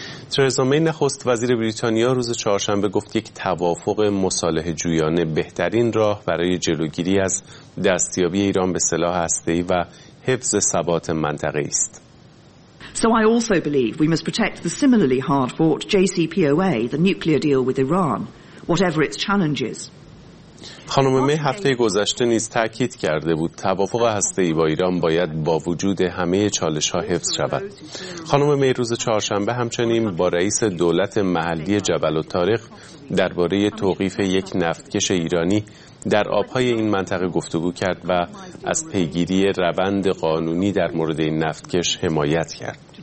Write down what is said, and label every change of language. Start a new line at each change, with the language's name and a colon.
Persian: ترزا می نخست وزیر بریتانیا روز چهارشنبه گفت یک توافق مصالحه جویانه بهترین راه برای جلوگیری از دستیابی ایران به سلاح هسته‌ای و حفظ ثبات منطقه است.
English: So I also believe we must protect the similarly hard-fought JCPOA, the nuclear deal with Iran, whatever its challenges.
Persian: خانم می هفته گذشته نیز تاکید کرده بود توافق هسته‌ای با ایران باید با وجود همه چالش‌ها حفظ شود. خانم می روز چهارشنبه همچنین با رئیس دولت محلی جبل الطارق درباره توقیف یک نفتکش ایرانی در آب‌های این منطقه گفتگو کرد و از پیگیری روند قانونی در مورد این نفتکش حمایت کرد.